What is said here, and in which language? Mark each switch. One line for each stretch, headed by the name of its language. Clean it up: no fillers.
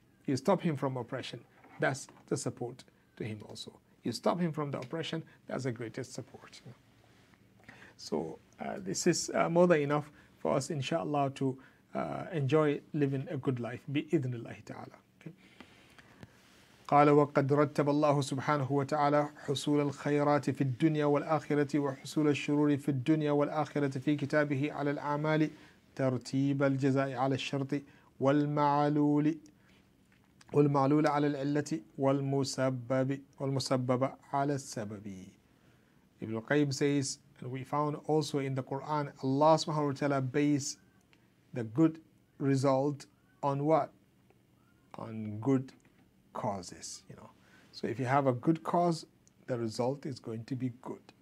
English: You stop him from oppression. That's the support to him also. You stop him from the oppression, that's the greatest support. So this is more than enough for us, inshallah, to enjoy living a good life,
Arabic: بإذن الله تعالى. قال وقد رتب الله سبحانه وتعالى حصول الخيرات في الدنيا والآخرة وحصول الشرور في الدنيا والآخرة في كتابه على الأعمال ترتيب الجزاء على الشرط والمعلول على العلة والمسبب على السبب.
English: Ibn Qayyim says, and we found also in the Quran, Allah subhanahu wa ta'ala based the good result on what? On good causes, you know. So if you have a good cause, the result is going to be good.